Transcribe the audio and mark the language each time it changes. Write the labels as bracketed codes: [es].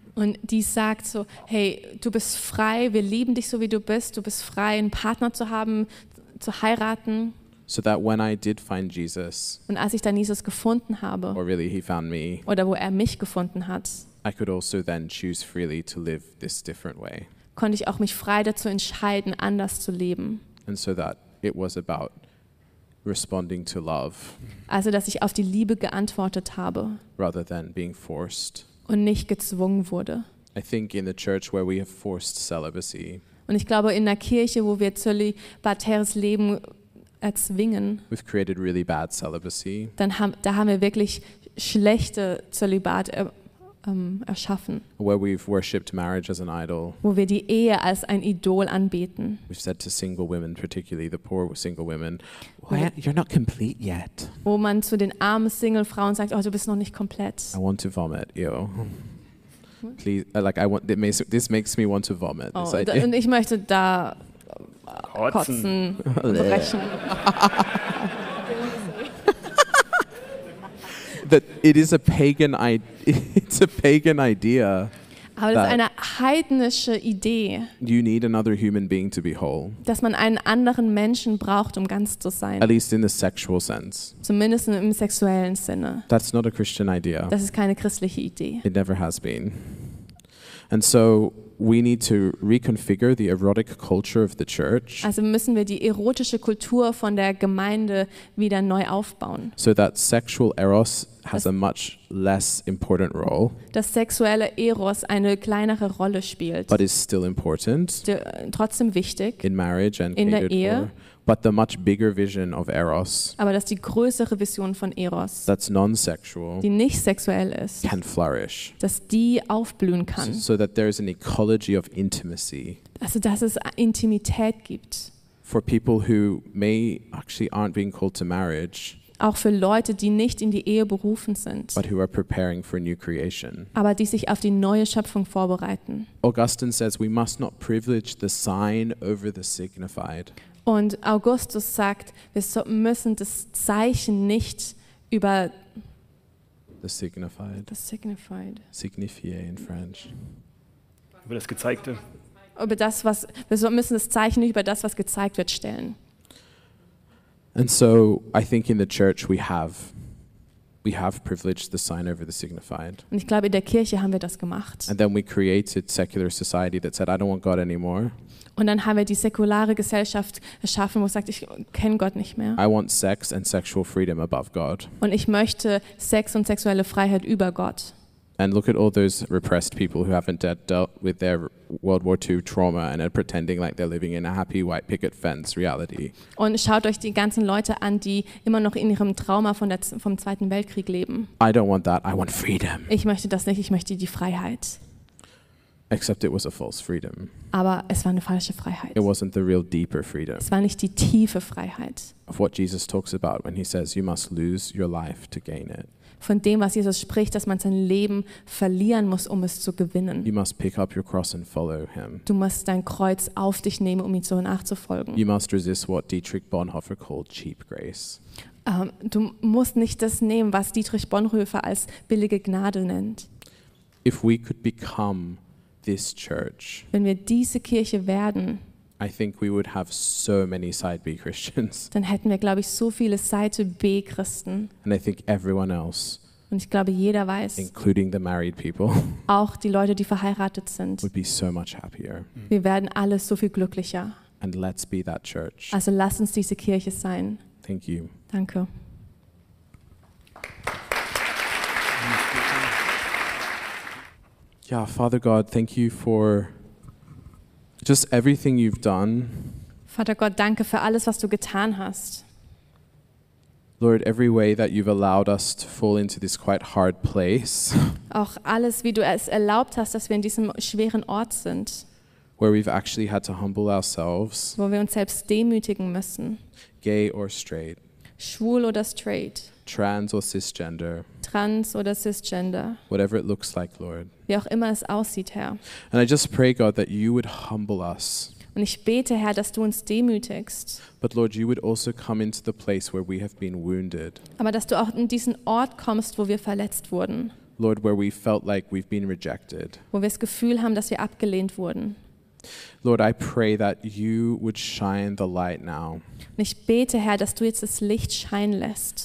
[de] Und die sagt so, hey, du bist frei, wir lieben dich so wie du bist frei, einen Partner zu haben, zu heiraten. [en] So that when I did find Jesus, [de] und als ich dann Jesus gefunden habe, [en] or really he found me, [de] oder wo er mich gefunden hat, [en] I could also then choose freely to live this different way. [de] Konnte ich auch mich frei dazu entscheiden, anders zu leben. [en] And so that it was about responding to love. [de] Also, dass ich auf die Liebe geantwortet habe. [en] Rather than being forced. [de] Und nicht gezwungen wurde. [en] I think in the church where we have forced celibacy. [de] Und ich glaube, in der Kirche, wo wir zölibatäres Leben erzwingen. [en] We've created really bad celibacy. [de] Da haben wir wirklich schlechte Zölibat erschaffen. [en] Where we've worshipped marriage as an idol. [de] Wo wir die Ehe als ein Idol anbeten. [en] We've said to single women, particularly the poor single women, well, you're not complete yet. [de] Wo man zu den armen Single Frauen sagt, oh, du bist noch nicht komplett. [en] I want to vomit, yo. Please, like I want, this makes me want to vomit. [de] Oh, da, und ich möchte da kotzen, brechen. [en] That it is a pagan it's a pagan idea. [de] Aber das ist eine heidnische Idee. [en] You need another human being to be whole. [de] Dass man einen anderen Menschen braucht, um ganz zu sein. [en] At least in the sexual sense. [de] Zumindest im sexuellen Sinne. [en] That's not a Christian idea. [de] Das ist keine christliche Idee. [en] It never has been. And so we need to reconfigure the erotic culture of the church. [de] Also müssen wir die erotische Kultur von der Gemeinde wieder neu aufbauen. [en] So that sexual eros has a much less important role. [de] Dass sexuelle Eros eine kleinere Rolle spielt. [en] But is still important. [de] Trotzdem wichtig. [en] In marriage and [de] in der Ehe. For, [en] but the much bigger vision of eros. [de] Aber dass die größere Vision von Eros. [en] That's non-sexual. [de] Die nicht sexuell ist. [en] Can flourish. [de] Dass die aufblühen kann. [en] So that there is an ecology of intimacy. [de] Also dass es Intimität gibt. [en] For people who may actually aren't being called to marriage. [de] Auch für Leute, die nicht in die Ehe berufen sind, [en] but who are preparing for new creation. [de] Aber die sich auf die neue Schöpfung vorbereiten. [en] Augustine says we must not privilege the sign over the signified. [de] Und Augustus sagt, wir müssen das Zeichen nicht über [en] the signified. The signified. Signifié in French. [de] Über das Gezeigte. Über das, was wir müssen das Zeichen nicht über das, was gezeigt wird, stellen. [en] And so I think in the church we have privileged the sign over the signified. [de] Und ich glaube, in der Kirche haben wir das gemacht. [en] And then we created secular society that said, I don't want God anymore. [de] Und dann haben wir die säkulare Gesellschaft erschaffen, wo es sagt, ich kenne Gott nicht mehr. [en] I want sex and sexual freedom above God. [de] Und ich möchte Sex und sexuelle Freiheit über Gott. [en] And look at all those repressed people who haven't dealt with their World War II trauma and are pretending like they're living in a happy white picket fence reality. [de] Und schaut euch die ganzen Leute an, die immer noch in ihrem Trauma vom Zweiten Weltkrieg leben. [en] I don't want that. I want freedom. [de] Ich möchte das nicht. Ich möchte die Freiheit. [en] Except it was a false freedom. [de] Aber es war eine falsche Freiheit. [en] It wasn't the real deeper freedom. [de] Es war nicht die tiefe Freiheit. [en] Of what Jesus talks about when he says you must lose your life to gain it. [de] Von dem, was Jesus spricht, dass man sein Leben verlieren muss, um es zu gewinnen. [en] You must pick up your cross and follow him. [de] Du musst dein Kreuz auf dich nehmen, um ihm so nachzufolgen. [en] You must resist what Dietrich Bonhoeffer called cheap grace. [de] Du musst nicht das nehmen, was Dietrich Bonhoeffer als billige Gnade nennt. [en] If we could become this church, [de] wenn wir diese Kirche werden, [en] I think we would have so many side B Christians. [de] Dann hätten wir, glaube ich, so viele Seite B Christen. [en] And I think everyone else. [de] Und ich glaube, jeder weiß. [en] Including the married people. [de] Auch die Leute, die verheiratet sind. [en] Would be so much happier. [de] Wir werden alle so viel glücklicher. [en] And let's be that church. [de] Also lass uns diese Kirche sein. [en] Thank you. [de] Danke. [en] Ja, Father God, thank you for just everything you've done. [de] Vater Gott, danke für alles, was du getan hast. [en] Lord, every way that you've allowed us to fall into this quite hard place. [de] Auch alles, wie du es erlaubt hast, dass wir in diesem schweren Ort sind. [en] Where we've actually had to humble ourselves. [de] Wo wir uns selbst demütigen müssen. [en] Gay or straight. [de] Schwul oder straight. [en] Trans or cisgender. [de] Trans oder cisgender. [en] Whatever it looks like, Lord. [de] Wie auch immer es aussieht, Herr. [en] And I just pray, God, that you would humble us. [de] Und ich bete, Herr, dass du uns demütigst. [en] But Lord, you would also come into the place where we have been wounded. [de] Aber dass du auch in diesen Ort kommst, wo wir verletzt wurden. [en] Lord, where we felt like we've been rejected. [de] Wo wir das Gefühl haben, dass wir abgelehnt wurden. [en] Lord, I pray that you would shine the light now. [de] Und ich bete, Herr, dass du jetzt das Licht scheinen lässt.